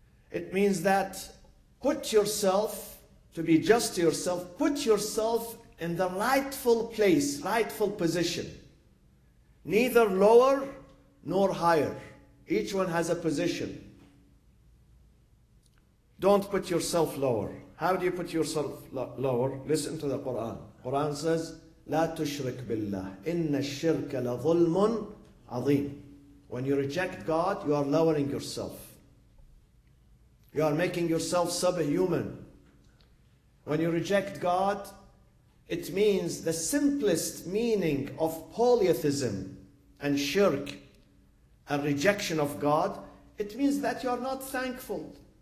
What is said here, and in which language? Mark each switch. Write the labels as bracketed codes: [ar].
[en] It means that put yourself, to be just to yourself, put yourself in the rightful place, rightful position. Neither lower nor higher. Each one has a position. Don't put yourself lower. How do you put yourself lower? Listen to the Quran. Quran says, [ar] لا تشرك بالله إن الشرك لظلم عظيم. [en] When you reject God, you are lowering yourself. You are making yourself subhuman. When you reject God, it means the simplest meaning of polytheism and shirk and rejection of God, it means that you are not thankful.